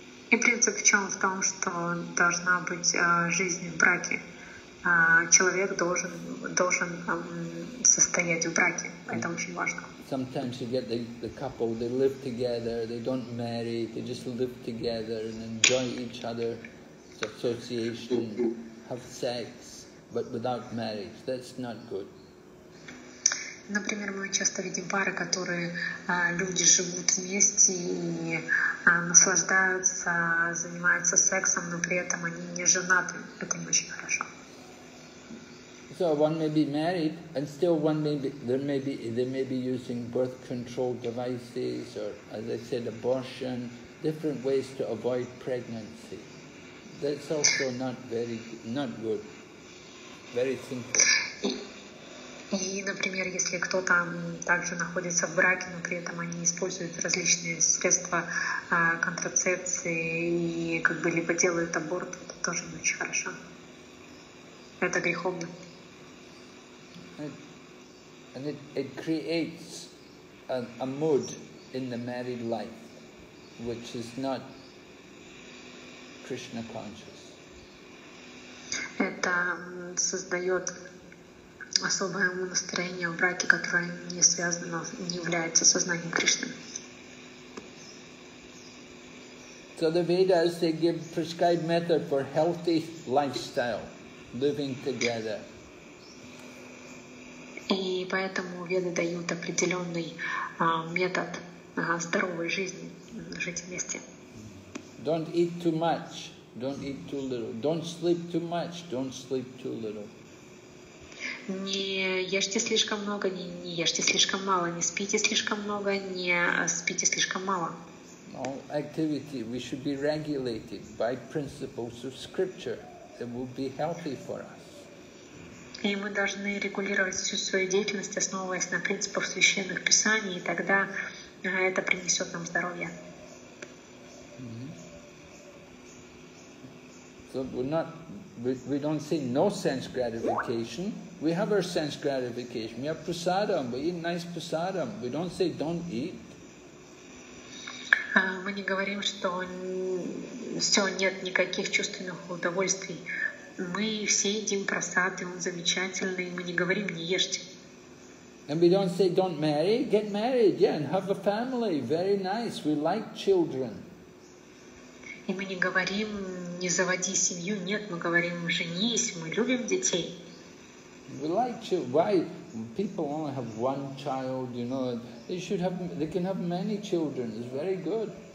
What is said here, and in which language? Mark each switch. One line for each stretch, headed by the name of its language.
Russian: И принцип в том, что должна быть жизнь в браке. Человек должен состоять в браке. Это очень важно.
English: Sometimes you get the couple, they live together, they don't marry, they just live together and enjoy each other's association, have sex, but without marriage. That's not good.
Russian: Например, мы часто видим пары, которые люди живут вместе и наслаждаются, занимаются сексом, но при этом они не женаты. Это не очень хорошо.
English: So one may be married, and still one may be, they may be using birth control devices, or as I said, abortion, different ways to avoid pregnancy. That's also not good. Very simple.
Russian: И, например, если кто-то также находится в браке, но при этом они используют различные средства контрацепции и как бы либо делают аборт, это тоже не очень хорошо. Это греховно.
English: And it creates a mood in the married life, which is not Krishna conscious.
Russian: Это создает особое настроение в браке, которое не связано, не является сознанием Кришны.
English: So the Vedas, they give prescribed method for healthy lifestyle, living together.
Russian: И поэтому Веды дают определенный метод здоровой жизни, жить вместе.
English: Don't eat too much, don't eat too little. Don't sleep too much, don't sleep too little.
Russian: Не ешьте слишком много, не ешьте слишком мало, не спите слишком много, не спите слишком мало.
English: All activity, we should be regulated by principles of scripture. It will be healthy for us.
Russian: И мы должны регулировать всю свою деятельность, основываясь на принципах священных писаний, и тогда это принесет нам здоровье. Mm-hmm.
English: So we're not, we don't say no sense gratification. We have our sense gratification. We have prasadam. We eat nice prasadam. We don't say don't eat.
Russian: Мы не говорим, что все, нет никаких чувственных удовольствий. Мы все едим просад, и он замечательный. Мы не говорим, не ешьте.
English: And we don't say, don't marry, get married, yeah, and have a family. Very nice, we like children.
Russian: И мы не говорим, не заводи семью, нет, мы говорим, женись, мы любим детей.
English: We like children. Why? People only have one child, you know. They should have. They can have many children. It's very good.